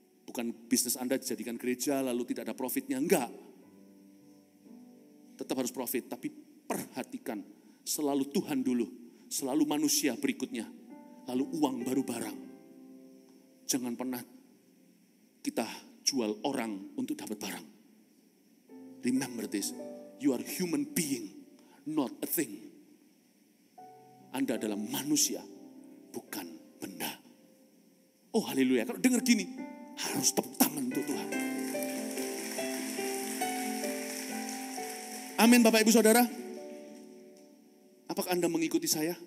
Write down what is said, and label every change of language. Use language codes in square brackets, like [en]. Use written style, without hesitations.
[id] Bukan bisnis Anda dijadikan gereja lalu tidak ada profitnya, enggak. Tetap harus profit, tapi perhatikan. Selalu Tuhan dulu, selalu manusia berikutnya. Lalu uang baru barang. Jangan pernah kita jual orang untuk dapat barang. [en] Remember this, you are human being, not a thing. [id] Anda adalah manusia, bukan benda. Oh haleluya, kalau dengar gini, harus tepuk tangan untuk Tuhan. Amin Bapak Ibu Saudara. Apakah Anda mengikuti saya?